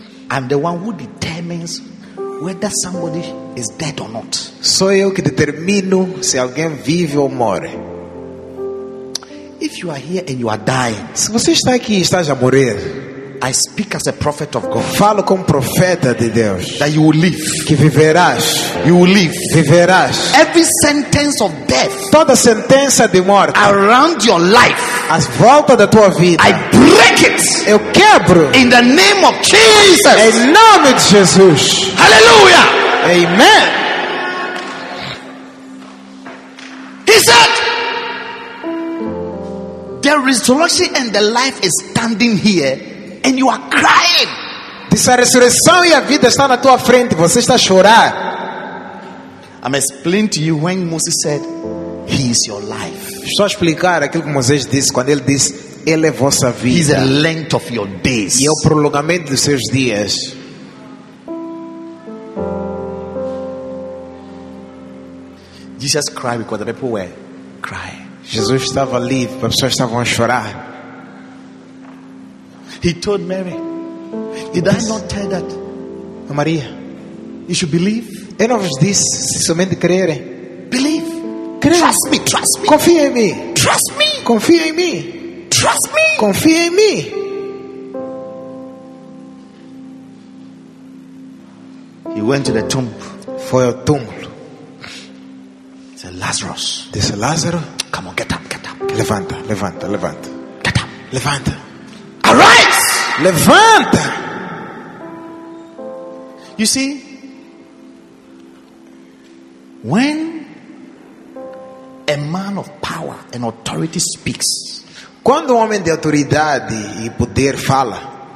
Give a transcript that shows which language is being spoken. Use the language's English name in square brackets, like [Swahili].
[English] I'm the one who determines whether somebody is dead or not. [Portuguese] Sou eu que determino se alguém vive ou morre. [English] If you are here and you are dying, [Portuguese] se você está aqui e estás a morrer, [English] I speak as a prophet of God. [Portuguese] Falo como profeta de Deus. [English] That you will live. [Portuguese] Que viverás. [English] You will live. [Portuguese] Viverás. [English] Every sentence of death. [Portuguese] Toda sentença de morte. [English] Around your life. [Portuguese] À volta da tua vida. [English] I break it. [Portuguese] Eu quebro. [English] In the name of Jesus. [Portuguese] Em nome de Jesus. [English] Hallelujah. [Portuguese] Amen. [English] He said, the resurrection and the life is standing here. And you are crying. [Portuguese] Diz a ressurreição e a vida está na tua frente. Você está a chorar. [English] I'm explaining to you when Moses said, "He is your life." [Portuguese] Estou a explicar aquilo que Moisés disse quando ele disse, "Ele é vossa vida." [English] He's the length of your days. [Portuguese] E é o prolongamento dos seus dias. [English] Jesus cried because the people were crying. [Portuguese] Jesus estava ali, as pessoas estavam a chorar. [English] He told Mary, "Did I not tell that, Maria? You should believe." [Portuguese] Eu não vos disse se somente crerem. creio. [English] Trust me, trust me. [Portuguese] Confia em mim. [English] Trust me. [Portuguese] Confia em mim. [English] Trust me. [Portuguese] Confia em mim. [English] He went to the tomb. [Portuguese] Foi ao túmulo. [English] Said Lazarus. [Portuguese] Disse Lázaro. [English] Come on, get up, get up. [Portuguese] Levanta, levanta, levanta. [English] Get up. [Portuguese] Levanta. [English] Arise. [Portuguese] Levanta. [English] You see, when a man of power and authority speaks, [Portuguese] quando um homem de autoridade e poder fala,